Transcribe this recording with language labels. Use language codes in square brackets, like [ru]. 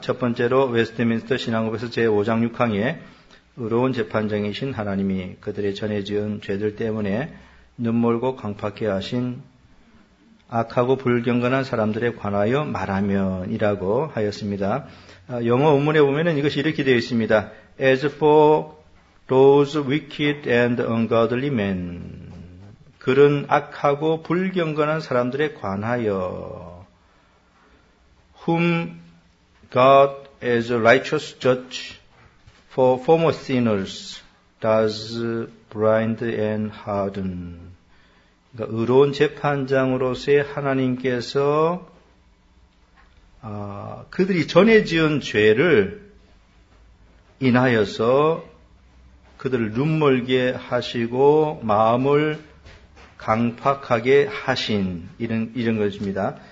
[ko] 첫 번째로 웨스트민스터 신앙고백서 제5장 6항에 의로운 재판장이신 하나님이 그들의 전에 지은 죄들 때문에 눈물고 강팍해 하신 악하고 불경건한 사람들에 관하여 말하면 이라고 하였습니다. 영어 원문에 보면 이것이 이렇게 되어 있습니다. [en] As for those wicked and ungodly men. [ko] 그런 악하고 불경건한 사람들에 관하여 [en] whom God as a righteous judge for former sinners does blind and harden. [ko] 그러니까 의로운 재판장으로서의 하나님께서 그들이 전에 지은 죄를 인하여서 그들을 눈멀게 하시고 마음을 강팍하게 하신 이런 것입니다.